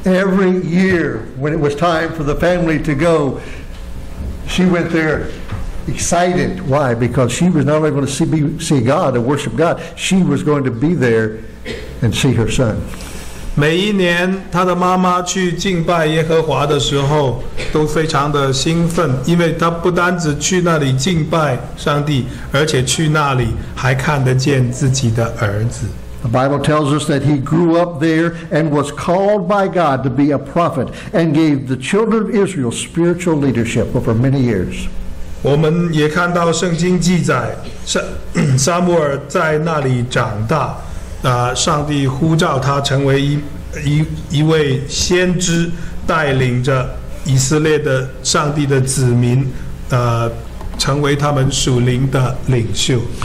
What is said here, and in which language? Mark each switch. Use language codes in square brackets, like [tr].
[en] Every year, when it was time for the family to go, she went there excited. Why? Because she was not only going to see God and worship God, she was going to be there and see her son. [zh] 每一年，她的妈妈去敬拜耶和华的时候，都非常的兴奋，因为她不单只去那里敬拜上帝，而且去那里还看得见自己的儿子。 [en] The Bible tells us that he grew up there and was called by God to be a prophet and gave the children of Israel spiritual leadership over many years. [zh] 我们也看到圣经记载，撒母耳在那里长大，上帝呼召他成为一位先知，带领着以色列的上帝的子民，成为他们属灵的领袖。